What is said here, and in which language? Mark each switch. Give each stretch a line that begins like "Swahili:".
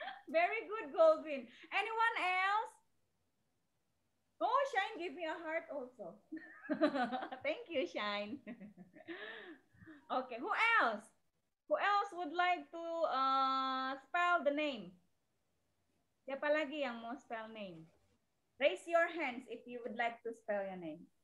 English: Very good, Goldwyn. Anyone else? Oh, Shine, give me a heart also. Thank you, Shine. Okay, who else? Who else would like to spell the name?
Indonesian: Siapa lagi yang mau
English: spell name? Raise your hands if you would like to spell your name.